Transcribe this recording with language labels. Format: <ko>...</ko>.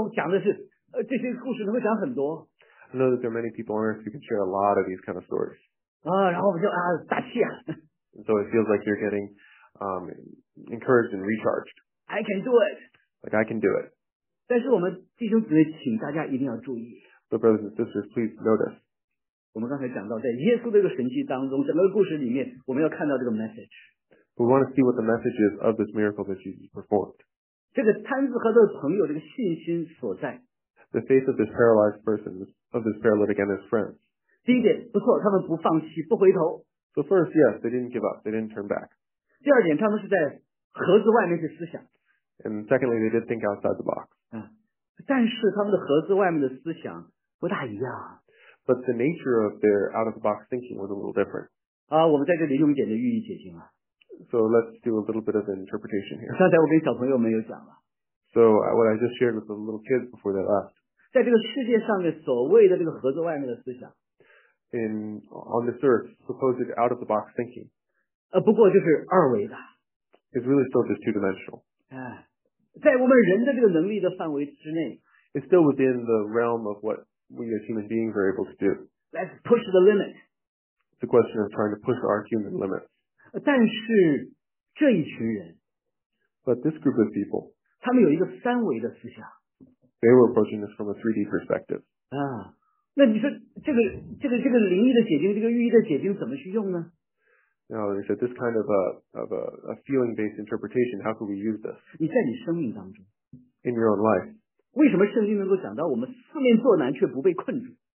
<zh>我知道在这个世界上有很多人能够讲的是这些故事能够讲很多。</zh> <en>I know that there are many people on earth who can share a lot of these kind of stories.</en> <zh>然后我们就打气啊。</zh> <en>And so it feels like you're getting encouraged and recharged. I can do it. Like I can do it.</en> <zh>但是我们弟兄姊妹请大家一定要注意。</zh> <en>But brothers and sisters, please notice.</en> <zh>我们刚才讲到，在耶稣这个神迹当中，整个故事里面，我们要看到这个 message.</zh> <en>We want to see what the message is of this miracle that Jesus performed.</en> <zh>这个瘫子和他的朋友这个信心所在。</zh> <en>The faith of this paralyzed person, of this paralytic and his friends.</en> <zh>第一点，不错，他们不放弃，不回头。</zh> <en>So first, yes, they didn't give up, they didn't turn back.</en> <zh>第二点，他们是在盒子外面去思想。</zh> <en>And secondly, they did think outside the box.</en> <zh>但是他们的盒子外面的思想不大一样。</zh> <en>But the nature of their out-of-the-box thinking was a little different.</en> <zh>我们在这里用一点的寓意解经了。</zh> <en>So let's do a little bit of an interpretation here.</en> <zh>刚才我跟小朋友们有讲了。</zh> <en>So what I just shared with the little kids before they left.</en> <zh>在这个世界上的所谓的这个盒子外面的思想。</zh> <en>In, on this earth, supposed out-of-the-box thinking.</en> <zh>不过就是二维的。</zh> <en>It's really still just two-dimensional.</en> <zh>在我们人的这个能力的范围之内。</zh> <en>It's still within the realm of what we as human beings are able to do. Let's push the limit. It's a question of trying to push our human limits.</en> <zh>但是这一群人,</zh> <en>but this group of people,</en> <zh>他们有一个三维的思想,</zh> <en>they were approaching this from a 3D perspective.</en> <zh>那你说这个灵异的解经，这个寓意的解经怎么去用呢?</zh> <en>Now they said this kind of a feeling-based interpretation, how could we use this?</en> <zh>你在你生命当中,</zh> <en>in your own life.</en> <zh>为什么圣经能够讲到我们四面作难却不被困住？</zh>